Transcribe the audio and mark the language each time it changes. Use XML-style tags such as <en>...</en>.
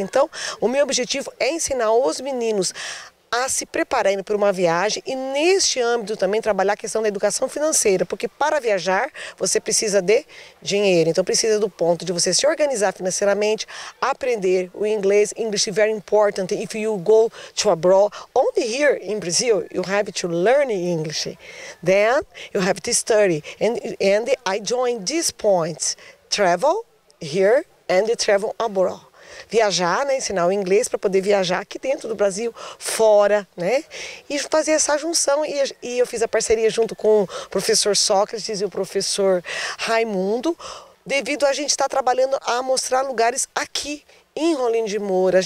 <pt>Então, o meu objetivo é ensinar os meninos a se preparar indo para uma viagem e, neste âmbito, também trabalhar a questão da educação financeira, porque para viajar você precisa de dinheiro, então precisa do ponto de você se organizar financeiramente, aprender o inglês.</pt> <en>English is very important if you go to abroad. Only here in Brazil, you have to learn English. Then you have to study. And I join these points: travel here and travel abroad.</en> <pt>Viajar, né, ensinar o inglês para poder viajar aqui dentro do Brasil, fora, né, e fazer essa junção. E eu fiz a parceria junto com o professor Sócrates e o professor Raimundo, devido a gente estar trabalhando a mostrar lugares aqui em Rolim de Moura.</pt>